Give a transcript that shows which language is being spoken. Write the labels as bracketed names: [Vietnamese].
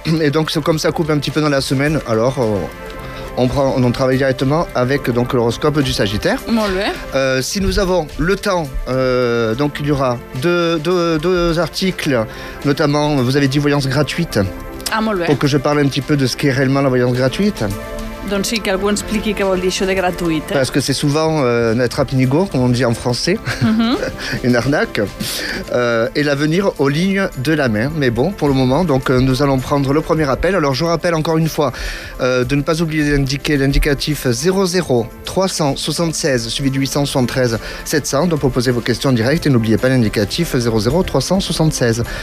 [French] Et donc, comme ça coupe un petit peu dans la semaine, alors... On travaille directement avec donc, l'horoscope du Sagittaire. [Catalan] Molt bé. [French] Si nous avons le temps, donc, il y aura deux articles, notamment, vous avez dit voyance gratuite. [Catalan] Ah, molt bé. [French] Pour que je parle un petit peu de ce qu'est réellement la voyance gratuite. [Catalan] Doncs sí, que algú expliqui què vol dir això de gratuit. Eh? [French] Parce que c'est souvent une attrape-nigo, comme on dit en français, une arnaque, et l'avenir aux lignes de la main. Mais bon, pour le moment, donc, nous allons prendre le premier appel. Alors, je rappelle encore une fois de ne pas oublier d'indiquer l'indicatif 00376 suivi du 873-700, donc pour poser vos questions directes et n'oubliez pas l'indicatif 00376.